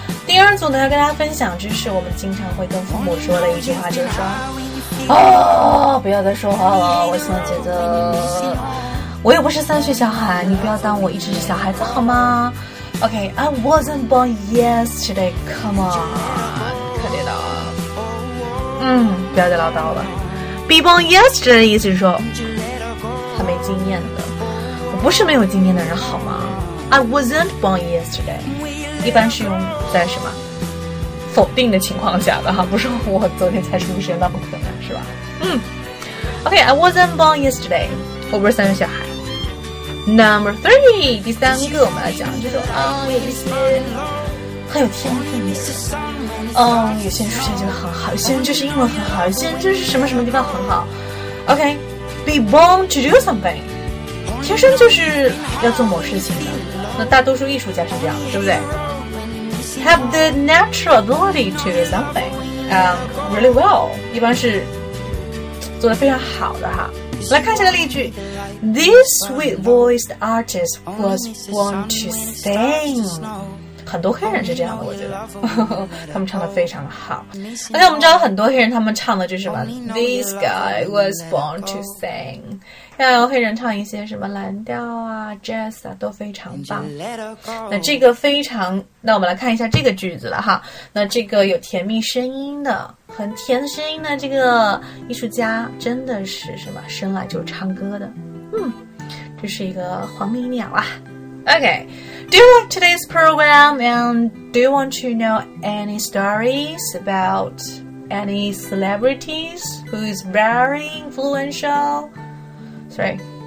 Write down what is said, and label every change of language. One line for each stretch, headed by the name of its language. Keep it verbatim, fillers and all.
Chinese: 第二组呢，要跟大家分享，就是我们经常会跟父母说的一句话，就是说，哦，不要再说话了，我现在觉得，我又不是三岁小孩，你不要当我一直是小孩子好吗 ？
English: Okay, I wasn't born yesterday. Come on, cut it off.
Chinese: 嗯，不要再唠叨了。
English: Be born yesterday
Chinese: 意思是说。没经验的，我不是没有经验的人好吗 ？
English: I wasn't born yesterday，
Chinese: 一般是用在什么否定的情况下的哈，不是我昨天才出生，那不可能是吧？嗯 ，OK，
English: I wasn't born yesterday，
Chinese: 我不是三岁小孩。 Number three， 第三个我们来讲，就是啊，有一些很有天分的，嗯，有些人数学真的很好，有些人就是英文很好，有些人就是什么什么地方很好。 OK。
English: Be born to do something，
Chinese: 天生就是要做某事情的。那大多数艺术家是这样，对不对 ？
English: Have the natural ability to do something，
Chinese: 嗯、um, ，
English: really well，
Chinese: 一般是做得非常好的哈。来看一下个例句
English: ：This sweet-voiced artist was born to sing。
Chinese: 很多黑人是这样的，我觉得他们唱的非常好。而且我们知道很多黑人他们唱的就是什么 ，
English: This guy was born to sing。
Chinese: 要黑人唱一些什么蓝调啊、jazz 啊，都非常棒。那这个非常，那我们来看一下这个句子了哈。那这个有甜蜜声音的、很甜的声音的这个艺术家，真的是什么生来就是唱歌的。嗯，这是一个黄鹂鸟啊。
English: Okay, do you like today's program and do you want to know any stories about any celebrities who is very influential? Sorry.